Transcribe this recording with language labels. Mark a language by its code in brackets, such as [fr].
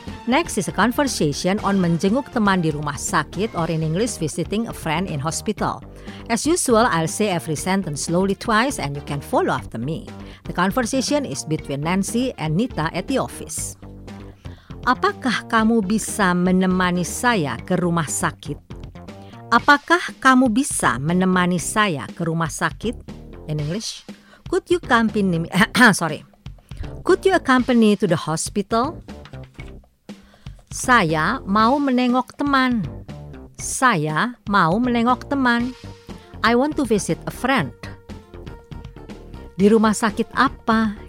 [en] Next is a conversation on menjenguk teman di rumah sakit, or in English, visiting a friend in hospital. As usual, I'll say every sentence slowly twice and you can follow after me. The conversation is between Nancy and Nita at the office. [id] Apakah kamu bisa menemani saya ke rumah sakit? Apakah kamu bisa menemani saya ke rumah sakit? [en] In English, could you accompany me? Could you accompany to the hospital? [id] Saya mau menengok teman. Saya mau menengok teman. [en] I want to visit a friend. Di rumah sakit apa?